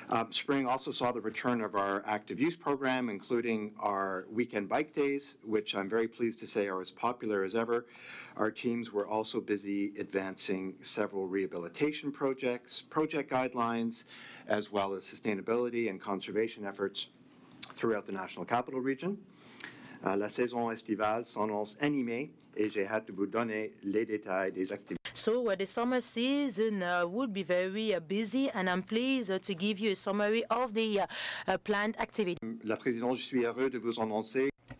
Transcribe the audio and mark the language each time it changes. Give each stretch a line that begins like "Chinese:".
English: Spring also saw the return of our active use program, including our weekend bike days, which I'm very pleased to say are as popular as ever. Our teams were also busy advancing several rehabilitation projects, project guidelines, as well as sustainability and conservation efforts throughout the National Capital Region.
French: La saison estivale s'annonce animée et j'ai hâte de vous donner les détails des activités.
English: So the summer season would be very busy, and I'm pleased to give you a summary of the planned activity.
French: La présidente, je suis heureux de vous annoncer.